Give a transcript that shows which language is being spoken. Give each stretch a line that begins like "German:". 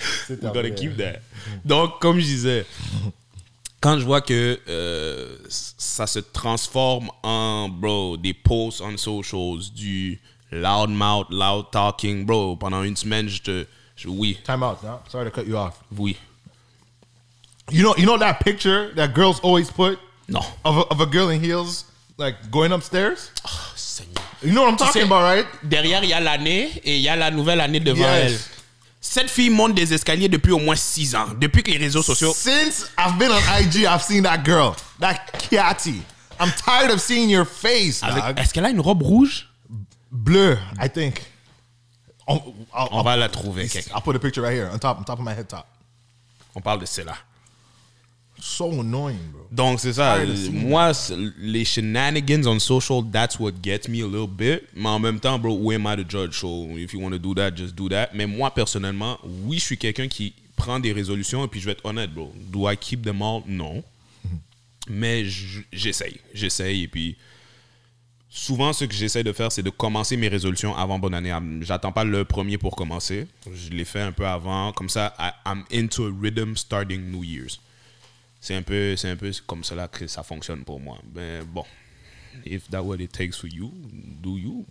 English: We gotta keep that.
French: Donc comme je disais, quand je vois que ça se transforme en bro des posts
English: on socials,
French: du
English: loud mouth, loud talking,
French: bro, pendant une semaine, je oui.
English: Time out. No? Sorry to cut you off.
French: Oui.
English: You know that picture that girls always put. No. Of a girl in heels, like, going upstairs?
French: Oh, Seigneur.
English: You know what I'm talking about, right?
French: Derrière, il y a l'année, et il y a la nouvelle année devant elle. Cette fille monte des escaliers depuis au moins 6 ans, depuis que les réseaux sociaux...
English: Since I've been on IG, I've seen that girl, that Kiati. I'm tired of seeing your face, avec, dog.
French: Est-ce qu'elle a une robe rouge?
English: Bleu, I think.
French: On va la trouver, quelqu'un.
English: I'll put a picture right here, on top of my head top.
French: On parle de celle-là.
English: So annoying, bro.
French: Donc, c'est ça. Moi, les shenanigans
English: on social, that's what gets me a little bit.
French: Mais en même temps, bro,
English: who am I to judge? So, if you want to do that, just do that.
French: Mais moi, personnellement, oui, je suis quelqu'un qui prend des résolutions et puis je vais être honnête, bro.
English: Do I keep them all?
French: Non. Mais j'essaye. J'essaye et puis... Souvent, ce que j'essaie de faire, c'est de commencer mes résolutions avant bonne année. J'attends pas le premier pour commencer. Je l'ai fait un peu avant. Comme ça,
English: I'm into a rhythm starting New Year's.
French: C'est un peu comme cela que ça fonctionne pour moi. Mais bon,
English: if that's what it takes for you, do you.